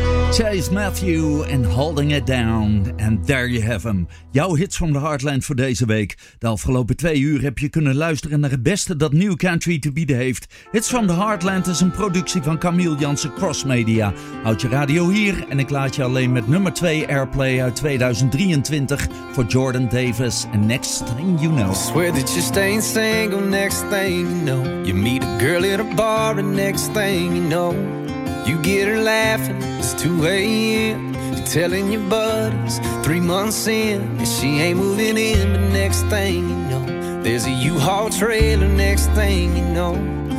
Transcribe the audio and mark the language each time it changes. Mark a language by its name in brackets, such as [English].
[English] Chase Matthew and Holding It Down. And there you have him. [Dutch] Jouw hits from the Heartland voor deze week. De afgelopen twee uur heb je kunnen luisteren naar het beste dat New Country te bieden heeft. Hits from the Heartland is een productie van Camille Jansen Cross Media. Houd je radio hier en ik laat je alleen met nummer 2 Airplay uit 2023 voor Jordan Davis. [English] And next thing you know. I swear that you're staying single, next thing you know. You meet a girl at a bar and next thing you know. You get her laughing, it's 2 a.m. You're telling your buddies, 3 months in, and she ain't moving in, but next thing you know, there's a U-Haul trailer, next thing you know.